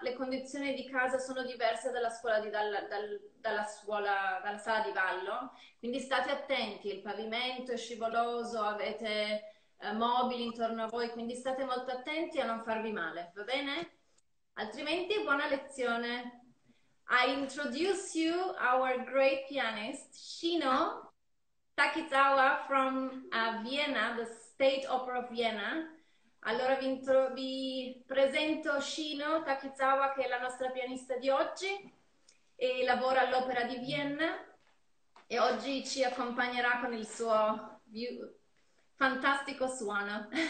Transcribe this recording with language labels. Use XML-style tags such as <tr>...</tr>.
<it>Le condizioni di casa sono diverse dalla scuola dalla sala di ballo. Quindi state attenti. Il pavimento è scivoloso, avete mobili intorno a voi, quindi state molto attenti a non farvi male, va bene? Altrimenti, buona lezione.</it> <en>I introduce you our great pianist, Shino Takizawa from Vienna, the State Opera of Vienna.</en> <it>Allora vi presento Shino Takizawa, che è la nostra pianista di oggi e lavora all'Opera di Vienna e oggi ci accompagnerà con il suo fantastico suono.</it>